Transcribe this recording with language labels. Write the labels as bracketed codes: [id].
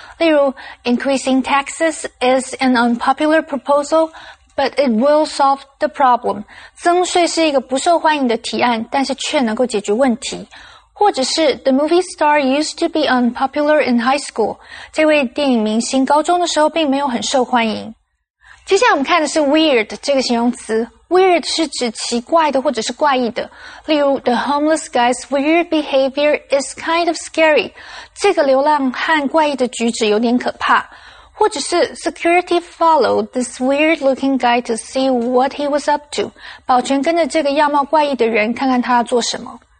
[en] 例如 increasing taxes is an unpopular proposal,But it will solve the problem. [zh] 增税是一个不受欢迎的提案，但是却能够解决问题。 [en] 或者是 The movie star used to be unpopular in high school. [zh] 这位电影明星高中的时候并没有很受欢迎。接下来我们看的是 weird 这个形容词。Weird 是指奇怪的或者是怪异的。 [en] 例如 The homeless guy's weird behavior is kind of scary. [zh] 这个流浪汉怪异的举止有点可怕。 [en] 或者是 security followed this weird looking guy to see what he was up to. [zh] 保全跟着这个样貌怪异的人看看他要做什么。